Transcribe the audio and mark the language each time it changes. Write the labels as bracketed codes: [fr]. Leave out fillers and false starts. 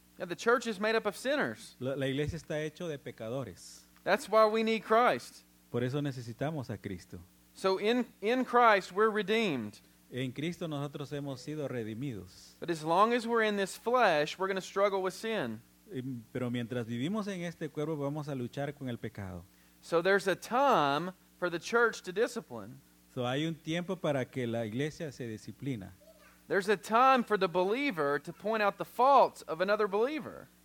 [en] Yeah, the church is made up of sinners. [es] La iglesia está hecho de pecadores. [en] That's why we need Christ. [es] Por eso necesitamos a Cristo. [en] So in Christ, we're redeemed. [es] En Cristo nosotros hemos sido redimidos. [en] But as long as we're in this flesh, we're going to struggle with sin. [es] Pero mientras vivimos en este cuerpo, vamos a luchar con el pecado. [en] So there's a time for the church to discipline. [es] So hay un tiempo para que la iglesia se disciplina. [en] There's a time for the believer to point out the faults of another believer.